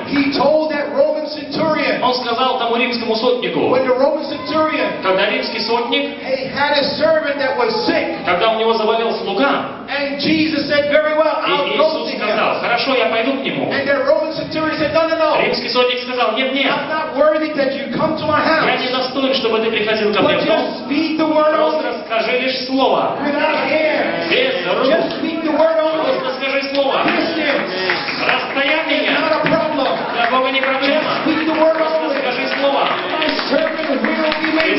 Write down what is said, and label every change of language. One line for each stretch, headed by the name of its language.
English: He told that Roman centurion.
Russian: Он сказал тому римскому сотнику.
English: When the Roman centurion.
Russian: Когда римский сотник.
English: He had a servant that was sick.
Russian: Когда у него заболел слуга.
English: And Jesus said, very well, I'll
Russian: и Иисус сказал, хорошо, я пойду к нему.
English: And the Roman centurion said, no.
Russian: Римский сотник сказал, нет.
English: I'm not worthy that you come to my house.
Russian: Я не достоин, чтобы ты приходил ко мне в дом.
English: Speak the word only.
Russian: Просто скажи лишь слово.
English: Without hands.
Russian: Без рук.
English: Just speak the word only.
Russian: Просто скажи слово.
English: Distance.
Russian: Расстояние.
English: It's not a problem.
Russian: Для Бога не проблема.
English: Just speak the word only.
Russian: Просто скажи слово.
English: My servant will be made well.